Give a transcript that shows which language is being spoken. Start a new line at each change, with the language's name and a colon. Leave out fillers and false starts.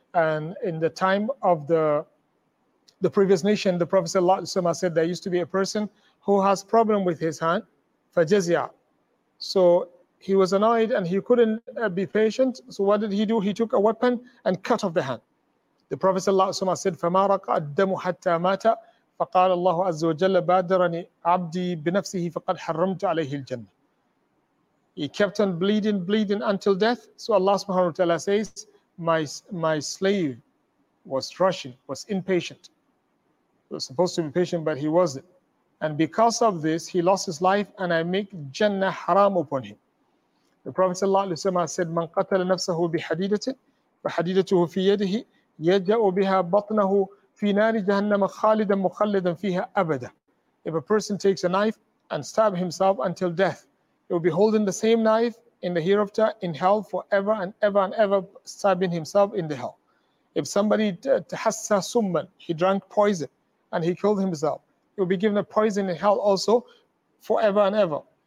English: And in the time of the previous nation, the Prophet ﷺ said there used to be a person who has problem with his hand, fajazia. So he was annoyed and he couldn't be patient. So what did he do? He took a weapon and cut off the hand. The Prophet ﷺ said,
Arabic: فَمَا رَقَ الدَّمُ حَتَّى مَاتَ فَقَالَ اللَّهُ عَزَّ وَجَلَّ بَادَرَنِ عَبْدِي بِنَفْسِهِ فَقَدْ حَرَّمْتُ عَلَيْهِ الْجَنَّةِ.
English: He kept on bleeding until death. So Allah subhanahu wa ta'ala says, my slave was rushing, was impatient. He was supposed to be patient, but he wasn't. And because of this, he lost his life, and I make Jannah haram upon him. The Prophet ﷺ said,
Arabic: مَنْ قَتَلَ نَفْسَهُ بِحَدِيدَةٍ فَحَدِيدَتُهُ فِي يَدِهِ يَجَأُ بِهَا بَطْنَهُ فِي نَارِ جَهَنَّمَ خَالِدًا مُخَلِّدًا فِيهَا أَبَدًا.
English: If a person takes a knife and stab himself until death, he will be holding the same knife in the hereafter, in hell, forever and ever and ever, stabbing himself in the hell. If somebody tahassa summan, he drank poison and he killed himself, he will be given a poison in hell also forever and ever.